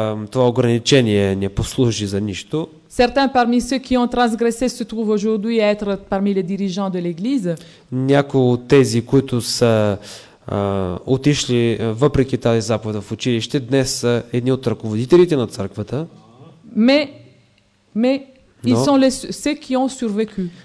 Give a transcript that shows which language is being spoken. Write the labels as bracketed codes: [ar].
[bg] Това ограничение не послужи за нищо. [fr] Certains parmi ceux qui ont transgressé se trouvent aujourd'hui être parmi les dirigeants de l'église. [bg] Някои от тези, които са отишли въпреки тази заповед в училище, днес са едни от ръководителите на църквата. [fr] Ils sont les ceux qui ont survécu.